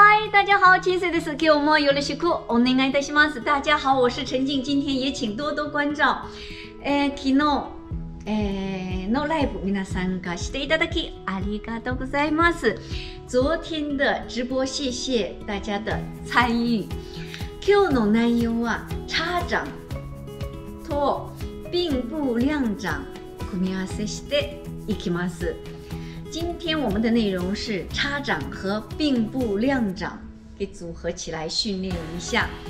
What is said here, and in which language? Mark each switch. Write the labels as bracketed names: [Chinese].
[Chinese] 大家好，金穗的是给我们有了辛苦，我们爱的是么子？大家好，我是陈静，今天也请多多关照。 [Japanese] 昨日のライブ皆参加していただきありがとうございます。 [Chinese] 昨天的直播，谢谢大家的参与。 [Japanese] 今日の内容は叉掌と并步亮掌組み合わせしていきます。 [Chinese] 今天我们的内容是叉掌和并步亮掌，给组合起来训练一下。